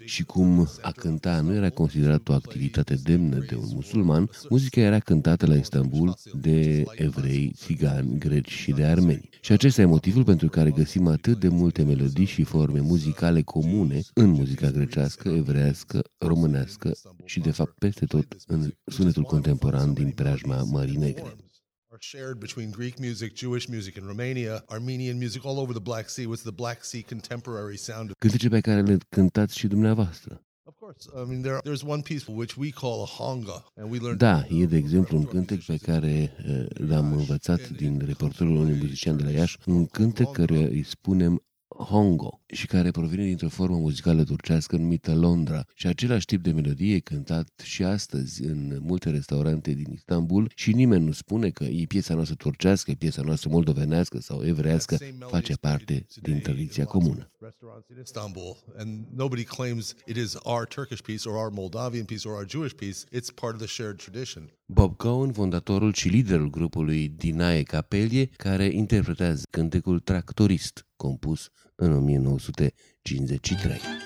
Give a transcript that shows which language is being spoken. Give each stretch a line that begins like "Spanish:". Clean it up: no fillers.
Romanian: Și cum a cânta nu era considerat o activitate demnă de un musulman, muzica era cântată la Istanbul de evrei, țigani, greci și de armeni. Și acesta e motivul pentru care găsim atât de multe melodii și forme muzicale comune în muzica grecească, evrească, românească și de fapt peste tot în sunetul contemporan din preajma Mării Negre.
English: Shared between Greek music, Jewish music in Romania, Armenian music all over the Black Sea with the Black Sea contemporary sound.
Romanian: Cântece pe care le cântați și dumneavoastră.
English: There's one piece which we call a honga and we learned.
Romanian: Da, e de exemplu un cântec pe care l-am învățat din repertoriul unui muzician de la Iași, un cântec care îi spunem Hongo și care provine dintr-o formă muzicală turcească numită Londra și același tip de melodie cântat și astăzi în multe restaurante din Istanbul și nimeni nu spune că e piesa noastră turcească, piesa noastră moldovenească sau evrească, face parte din tradiția comună.
English: Istanbul and nobody claims it is our Turkish piece or our Moldavian piece or our Jewish piece, it's part of the shared tradition.
Romanian: Bob Cohen, fondatorul și liderul grupului Dinae Capellie, care interpretează cântecul Tractorist, compus în 1953.